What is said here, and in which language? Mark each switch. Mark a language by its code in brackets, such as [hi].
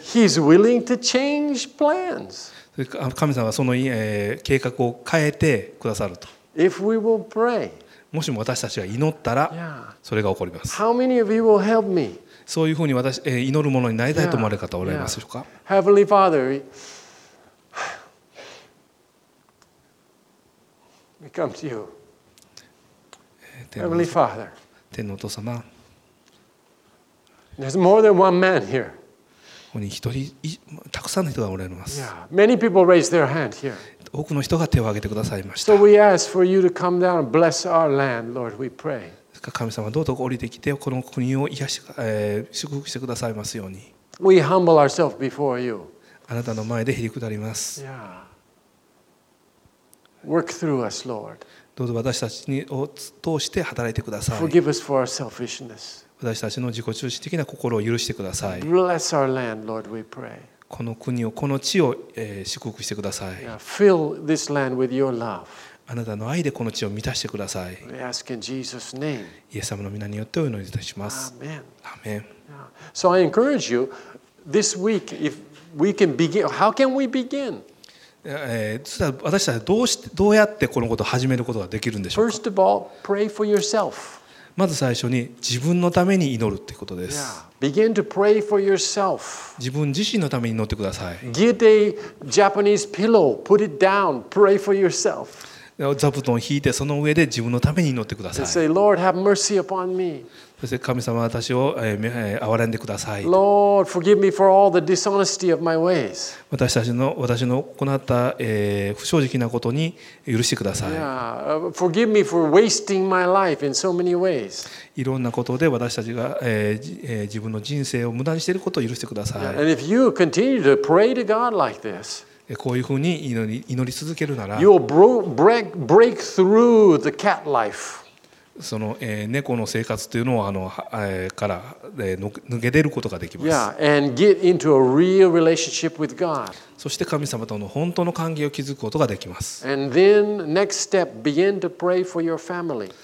[en] He's willing to change plans. [ja] 神様はその、計画を変えてくださると。 [en] If we will pray. [ja] もしも私たちが祈ったら、それが起こります。 [en] How many of you will help me? [ja] そういうふうに私、祈るものになりたいと思われる方おられますでしょうか。 [en] Heavenly Father, we come to you. Heavenly Father. [ja] 天のお父様。 [en] There's more than one man here. [ja] ここに一人たくさんの人がおられます。 [en] Yeah, many people raised their hand here. [ja] 多くの人が手を挙げてくださいました。 [en] So we ask for you to come down and bless our land, Lord. We pray. [ja] 神様どうぞ降りてきてこの国を癒し、祝福してくださいますように。 [en] We humble ourselves before you. [ja] あなたの前でへりくだります。 [en] Yeah. Work through us, Lord. [ja] どうぞ私たちを通して働いてください。 [en] Forgive us for our selfishness. [ja] 私たちの自己中心的な心を許してください。 [en] Bless our land, Lord, we pray. [ja] この国を、この地を、祝福してください。 [en] Yeah, fill this land with your love. [ja] あなたの愛でこの地を満たしてください。 [en] We ask in Jesus' name. [ja] イエス様の御名によってお祈りいたします。 [en] Amen. Amen. So I encourage you this week, if we can begin, how can we begin? [ja] 私たちはどうやってこのことを始めることができるんでしょうか。 [en] First of all, pray for yourself. [ja] まず最初に自分のために祈るということです。 [en] Yeah. Begin to pray for yourself. [ja] 自分自身のために祈ってください。 [en] Get a Japanese pillow, put it down, pray for yourself. [ja] 座布団を敷いてその上で自分のために祈ってください。 [en] Say, Lord, have mercy upon me. [ja] そして神様私を憐れんでください。 [en] Lord, forgive me for all the dishonesty of my ways. [ja] 私の行った、不正直なことに許してください。 [en] Yeah. Forgive me for wasting my life in so many ways. [ja] いろんなことで私たちが、自分の人生を無駄にしていることを許してください。 [en] Yeah. And if you continue to pray to God like this, [ja] こういうふうに祈り続けるなら、 [en] break through the cat life. [ja] その、猫の生活というのをから、抜け出ることができます。 [en] Yeah, and get into a real relationship with God. [ja] そして神様との本当の関係を築くことができます。 [en] And then next step, begin to pray for your family.